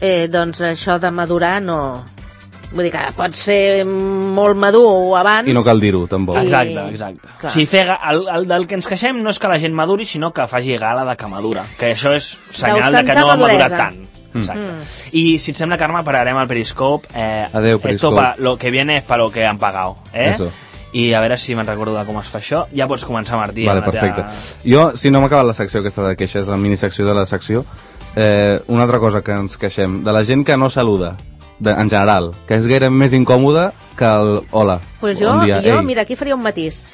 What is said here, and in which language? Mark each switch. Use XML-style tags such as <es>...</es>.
<ca>Doncs això de madurar no... Vull dir que pot ser molt madur abans... I no cal dir-ho, tampoc. Exacte. O sigui, del que ens queixem no és que la gent maduri, sinó que faci gala de que madura. Que això és senyal de que no ha madurat tant. Exacte. I si et sembla, Carme, pararem al Periscope. Adeu, Periscope.</ca> <es>Esto para lo que viene es para lo que han pagado, eso.</es> <ca>I a veure si me'n recordo de com es fa això. Ja pots començar, Martí. Vale, perfecte. Jo, si no m'ha acabat la secció aquesta de queixes, la minisecció de la secció, una altra cosa que ens queixem, de la gent que no saluda, en general, que és gaire més incòmode que el hola. Pues jo, mira, aquí faria un matís.</ca>